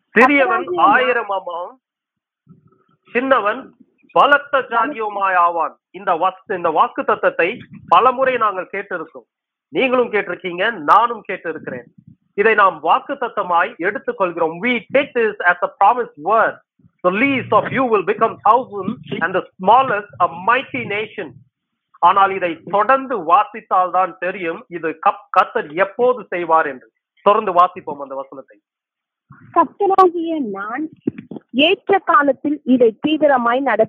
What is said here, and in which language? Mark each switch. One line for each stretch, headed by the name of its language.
Tamil: சிறியவன் ஆயிரமாம், சின்னவன் பலத்த ஜாதியுமாய் ஆவான். இந்த வாக்கு தத்தத்தை பல முறை நாங்கள் கேட்டிருக்கோம், நீங்களும் கேட்டிருக்கீங்க, நானும் கேட்டிருக்கிறேன். இதை நாம் வாக்கு தத்தமாய் எடுத்துக்கொள்கிறோம்.
English: We take this as a promised word. The least of you will become thousands and the smallest a mighty nation.
Tamil: ஆனால் இதை தொடர்ந்து வாசித்தால் தான் தெரியும் இது கர்த்தர் எப்போது செய்வார் என்று. தொடர்ந்து வாசிப்போம் அந்த வசனத்தை. கர்த்தராகிய நான் ஏற்ற காலத்தில் இதை தீவிரமாய்